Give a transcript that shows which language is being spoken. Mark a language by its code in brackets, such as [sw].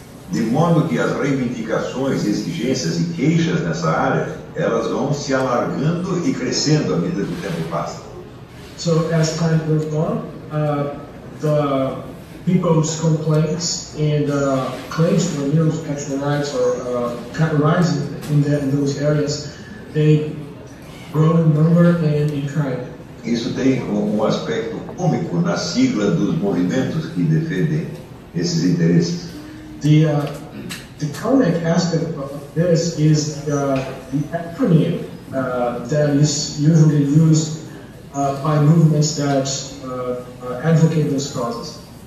[pt] De modo que as reivindicações, exigências e queixas nessa área, elas vão se alargando e crescendo à medida que o tempo passa. [en] So as time goes on, the people's complaints and claims for new sexual rights or rising in those areas, they grow in number and in kind. [pt] Isso tem um aspecto cômico na sigla dos movimentos que defendem esses interesses. [en] The comic aspect of this is the acronym that is usually used by movements that advocate those causes.